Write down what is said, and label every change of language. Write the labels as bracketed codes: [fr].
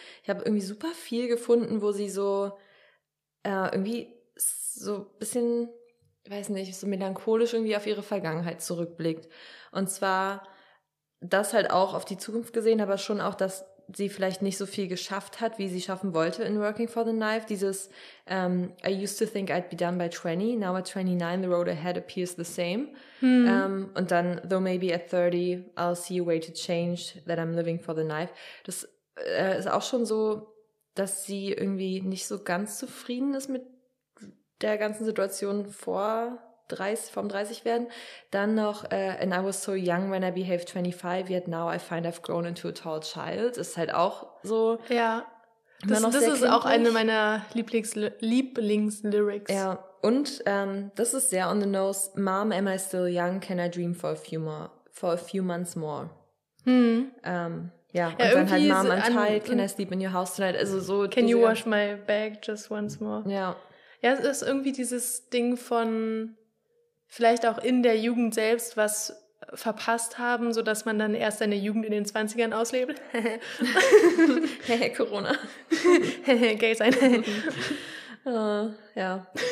[de] Ich habe irgendwie super viel gefunden, wo sie so irgendwie so ein bisschen, weiß nicht, so melancholisch irgendwie auf ihre Vergangenheit zurückblickt. Und zwar das halt auch auf die Zukunft gesehen, aber schon auch, dass sie vielleicht nicht so viel geschafft hat, wie sie schaffen wollte in Working for the Knife. Dieses [en] I used to think I'd be done by 20, now at 29 the road ahead appears the same. [de] Und dann, [en] though maybe at 30 I'll see a way to change that I'm living for the knife. [de] Das ist auch schon so, dass sie irgendwie nicht so ganz zufrieden ist mit der ganzen Situation vor 30, vom 30 werden. Dann noch, [en] and I was so young when I behaved 25, yet now I find I've grown into a tall child. [de] Ist halt auch so. Ja, das ist kindlich. Auch eine meiner Lieblings-Lyrics. Ja, und das ist sehr [en] on the nose. Mom, am I still young? Can I dream for a few months more? [de] Ja, und ja, dann halt [en] Mom and Child, can I sleep in your house tonight? [de] Also so. [en] Can you wash my bag just once more? [de] Ja. Ja, es ist irgendwie dieses Ding von vielleicht auch in der Jugend selbst was verpasst haben, sodass man dann erst seine Jugend in den 20ern auslebt. Hehe, Corona. Gay sein. ja.